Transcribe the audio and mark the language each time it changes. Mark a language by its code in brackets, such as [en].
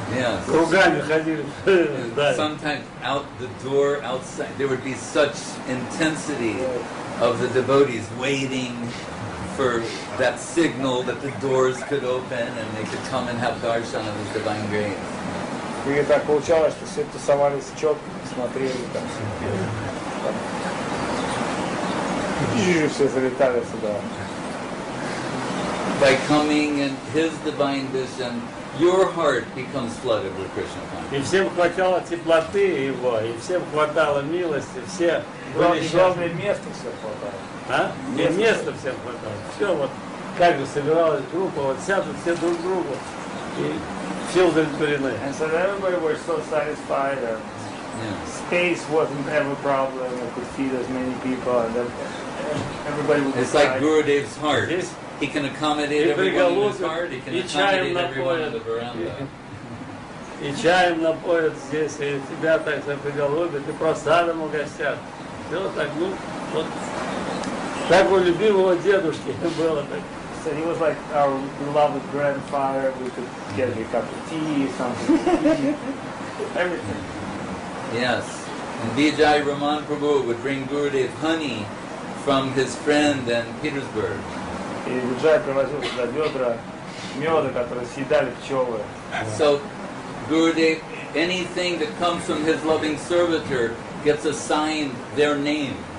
[en] Yes. [ru] Кругами ходили. [en] Sometimes out the door, outside, there would be such intensity of the devotees waiting for that signal that the doors could open and they could come and have darshan of his divine grace. [ru] И так получалось, что все тусовались четко, смотрели там. Все залетали сюда. [en] By coming and his divine vision, your heart becomes flooded with Krishna consciousness. [ru] И всем хватало теплоты его, и всем хватало милости, все были счастливы. Места всем хватало. А? И места всем хватало. Все вот, как бы собиралась группа, вот сядут все друг к другу. [en] And so everybody was so satisfied, and space wasn't ever a problem, we could feed as many people, and everybody would be It's like Gurudev's heart. He can accommodate everyone in his heart, he can accommodate everyone [ru] И чаем напоят здесь, и тебя так и просадом угостят. Все так, ну, вот, так у любимого дедушки было так. [en] And he was like our beloved grandfather. We could get him a cup of tea, something. Everything. Yes. And Vijay Raman Prabhu would bring Gurudev honey from his friend in Petersburg. So Gurudev, anything that comes from his loving servitor gets assigned their name.